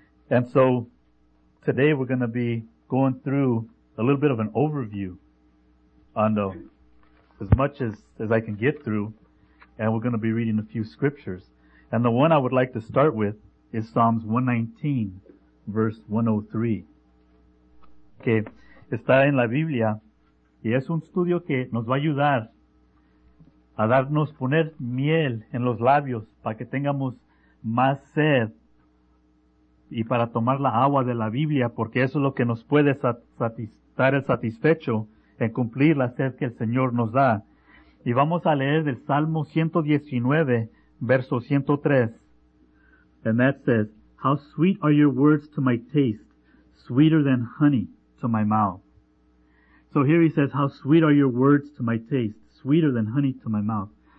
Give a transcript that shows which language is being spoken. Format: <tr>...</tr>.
<en>And so today we're going to be going through a little bit of an overview on the, as much as I can get through. And we're going to be reading a few scriptures. And the one I would like to start with is Psalms 119, verse 103.</en> <es>Que está en la Biblia. Y es un estudio que nos va a ayudar a darnos poner miel en los labios para que tengamos más sed y para tomar la agua de la Biblia, porque eso es lo que nos puede dar el satisfecho en cumplir la sed que el Señor nos da. Y vamos a leer del Salmo 119, verso 103.</es> <en>And that says, "How sweet are your words to my taste, sweeter than honey to my mouth." So here he says, "How sweet are your words to my taste, sweeter than honey to my mouth."</en>